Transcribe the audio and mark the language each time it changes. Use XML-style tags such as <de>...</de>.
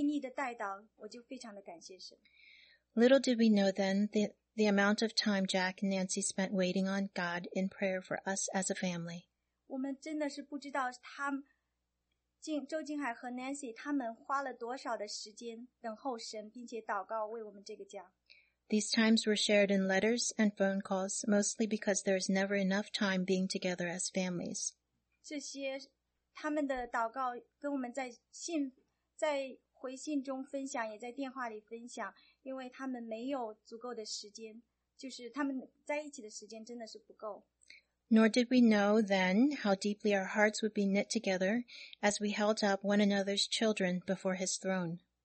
<zh>我就常常想到那次他为我们很细腻的带导，我就非常的感谢神。</zh> <en>Little did we know then that the amount of time Jack and Nancy spent waiting on God in prayer for us as a family.</en> <zh>我们真的是不知道他们，周静海和Nancy，他们花了多少的时间等候神，并且祷告为我们这个家。</zh> <en>These times were shared in letters and phone calls, mostly because there is never enough time being together as families.</en> <zh>这些他们的祷告跟我们在信，在回信中分享，也在电话里分享，因为他们没有足够的时间。</zh> <en>Nor did we know then how deeply our hearts would be knit together as we held up one another's children before his throne.</en>